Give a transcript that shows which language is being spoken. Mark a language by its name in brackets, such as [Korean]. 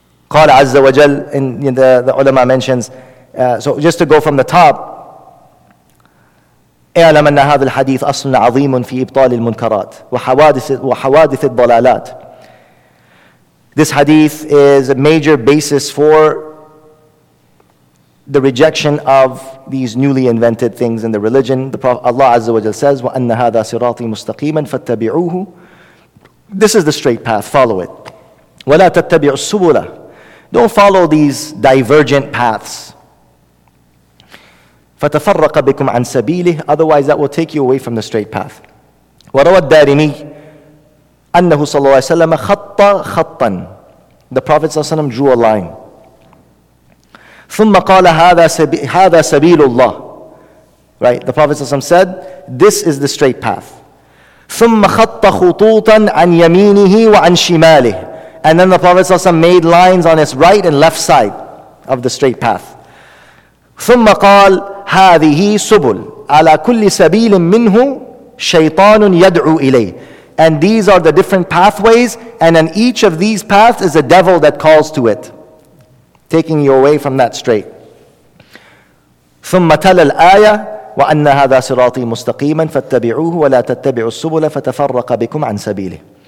[Arabic] قال عز وجل, [English] in the ulama mentions, so just to go from the top, [Arabic] اعلم أن هذا الحديث أصل عظيم في إبطال المنكرات وحوادث الضلالات. [English] This hadith is a major basis for the rejection of these newly invented things in the religion. The Prophet Allah Azza wa Jalla says, [Arabic] وَأَنَّ هَذَا صِرَاطِي مُسْتَقِيمًا فَاتَّبِعُوهُ. [English] This is the straight path, follow it. [Arabic] وَلَا تَتَّبِعُ السُّبُلَ. [English] Don't follow these divergent paths. [Arabic] فَتَفَرَّقَ بِكُمْ عَنْ سَبِيلِهِ. [English] Otherwise that will take you away from the straight path. [Arabic] وَرَوَى الدَّارِمِي أنه صلى الله عليه وسلم خط خطا. [English] The Prophet صلى الله عليه وسلم drew a line. [Arabic] ثم قال هذا سبيل الله. [English] Right, the Prophet صلى الله عليه وسلم said, this is the straight path. [Arabic] ثم خط خطوطا عن يمينه وعن شماله. [English] And then the Prophet صلى الله عليه وسلم made lines on his right and left side of the straight path. [Arabic] ثم قال هذه سبل على كل سبيل منه شيطان يدعو إليه. [English] And these are the different pathways, and on each of these paths is a devil that calls to it, taking you away from that straight. [Arabic] ثُمَّ تَلَى الْآيَةِ وَأَنَّ هَذَا صِرَاطِي مُسْتَقِيمًا فَاتَّبِعُوهُ وَلَا تَتَّبِعُوا السُّبُلَ فَتَفَرَّقَ بِكُمْ عَنْ سَبِيلِهِ.